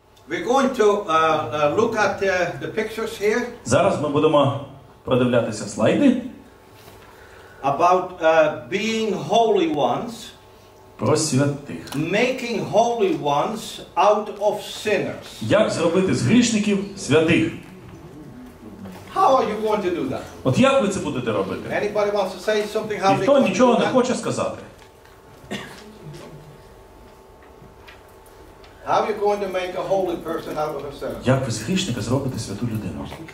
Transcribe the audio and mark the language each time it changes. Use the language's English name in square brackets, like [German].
[English] We're going to look at the pictures here. [Ukrainian] Зараз ми будемо продивлятися слайди. [English] About being holy ones. [Ukrainian] Про святих. [English] Making holy ones out of sinners. [Ukrainian] Як зробити з грішників святих? [English] How are you going to do that? [Ukrainian] От як ви це будете робити? [English] Anybody wants to say something? How [Ukrainian] ніхто нічого не хоче сказати. [English] How are you going to make a holy person out of a sinner? [Ukrainian] Як ви з грішника зробите святу людину?